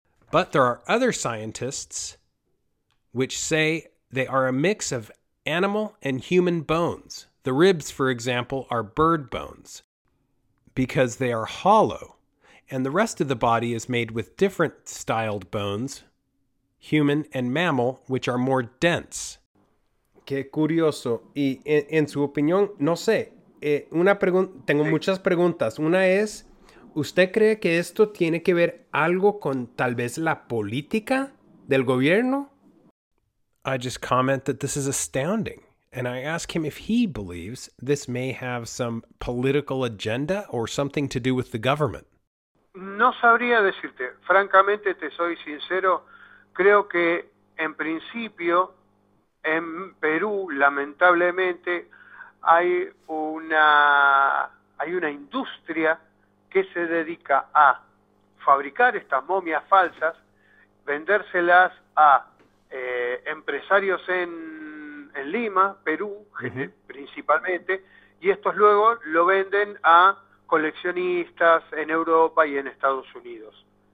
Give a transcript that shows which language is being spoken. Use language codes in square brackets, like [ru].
[en] But there are other scientists which say they are a mix of animal and human bones, The ribs, for example, are bird bones because they are hollow, and the rest of the body is made with different styled bones, human and mammal, which are more dense. [es] Qué curioso. Y en su opinión, no sé, tengo muchas preguntas. Una es, ¿usted cree que esto tiene que ver algo con tal vez la política del gobierno? [en] I just comment that this is astounding, and I ask him if he believes this may have some political agenda or something to do with the government. [es] No sabría decirte. Francamente, te soy sincero, creo que en principio en Perú, lamentablemente, hay una industria que se dedica a fabricar estas momias falsas, vendérselas a empresarios en Lima, Perú, principalmente, y estos luego lo venden a coleccionistas en Europa y en Estados Unidos.